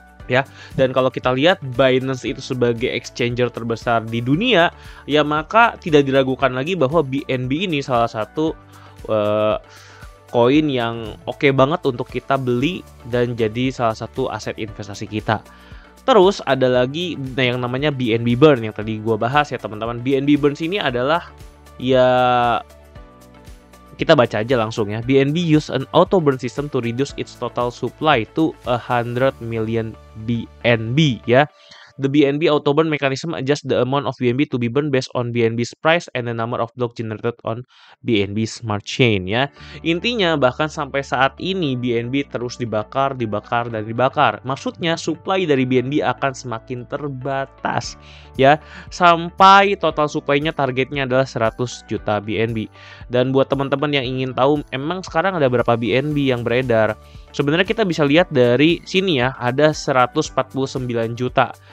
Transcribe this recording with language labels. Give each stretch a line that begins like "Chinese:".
Indonesian: Ya, dan kalau kita lihat Binance itu sebagai exchanger terbesar di dunia, ya maka tidak diragukan lagi bahwa BNB ini salah satu koin yang oke banget untuk kita beli dan jadi salah satu aset investasi kita. Terus ada lagi yang namanya BNB Burn yang tadi gue bahas ya teman-teman. BNB Burn ini adalah ya kita baca aja langsung ya.
English: BNB use an auto burn system to reduce its total supply to 100 million BNB ya. The BNB auto burn mechanism adjusts the amount of BNB to be burned based on BNB's price and the number of blocks generated on BNB Smart Chain ya.
Indonesian: Intinya bahkan sampai saat ini BNB terus dibakar, dibakar dan dibakar. Maksudnya supply dari BNB akan semakin terbatas ya, sampai total supply-nya targetnya adalah 100 juta BNB. Dan buat teman-teman yang ingin tahu emang sekarang ada berapa BNB yang beredar, sebenarnya kita bisa lihat dari sini ya, ada 149 juta.